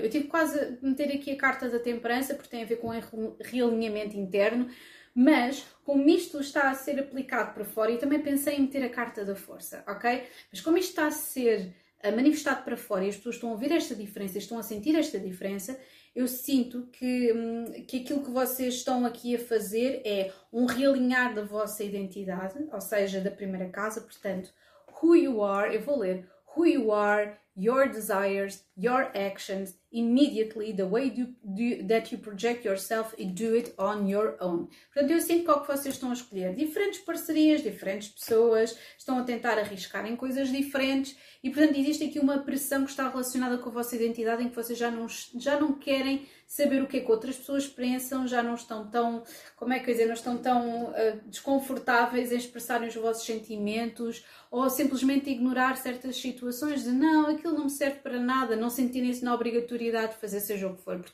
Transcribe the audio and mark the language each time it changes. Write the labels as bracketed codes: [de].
[pt] Eu tive quase a meter aqui a carta da temperança, porque tem a ver com realinhamento interno, mas como isto está a ser aplicado para fora, e também pensei em meter a carta da força, ok? Mas como isto está a ser manifestado para fora e as pessoas estão a ouvir esta diferença, estão a sentir esta diferença, eu sinto que aquilo que vocês estão aqui a fazer é um realinhar da vossa identidade, ou seja, da primeira casa. [en] Portanto, who you are, [pt] eu vou ler, [en] who you are, your desires, your actions, immediately, the way that you project yourself and do it on your own. [pt] Portanto, eu sinto qual que vocês estão a escolher. Diferentes parcerias, diferentes pessoas, estão a tentar arriscar em coisas diferentes e, portanto, existe aqui uma pressão que está relacionada com a vossa identidade, em que vocês já não querem saber o que é que outras pessoas pensam, já não estão tão, como é que eu ia dizer, não estão tão desconfortáveis em expressarem os vossos sentimentos ou simplesmente ignorar certas situações de não, aquilo não me serve para nada, não sentirem-se na obrigatoriedade de fazer seja o que for.